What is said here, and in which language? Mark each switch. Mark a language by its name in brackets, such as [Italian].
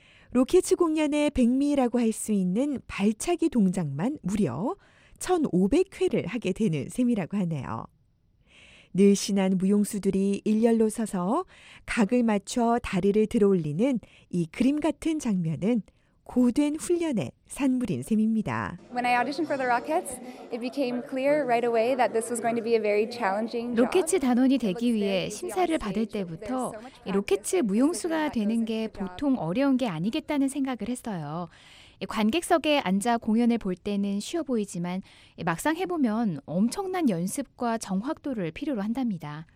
[Korean] 로켓츠 공연의 백미라고 할 수 있는 발차기 동작만 무려 1,500회를 하게 되는 셈이라고 하네요. 늘씬한 무용수들이 일렬로 서서 각을 맞춰 다리를 들어올리는 이 그림 같은 장면은 고된 훈련의 산물인 셈입니다. [English] When I auditioned for the Rockets, it became clear right away that this was going to be a very challenging job. [Korean] 로켓츠 단원이 되기 위해 심사를 받을 때부터 로켓츠 무용수가 되는 게 보통 어려운 게 아니겠다는 생각을 했어요. 관객석에 앉아 공연을 볼 때는 쉬워 보이지만 막상 해보면 엄청난 연습과 정확도를 필요로 한답니다.